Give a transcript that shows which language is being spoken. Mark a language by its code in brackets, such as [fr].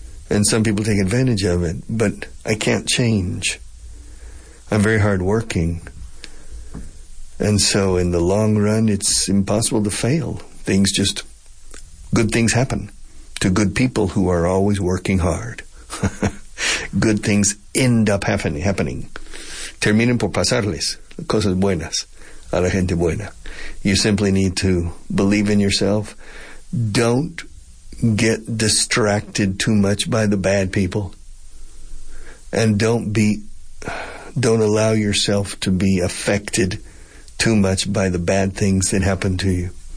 [en] And some people take advantage of it, but I can't change. I'm very hardworking. And so in the long run, it's impossible to fail. Things just, good things happen to good people who are always working hard. Good things end up happening. [es] Terminan por pasarles cosas buenas a la gente buena. [en] You simply need to believe in yourself. Don't get distracted too much by the bad people. And don't allow yourself to be affected too much by the bad things that happen to you.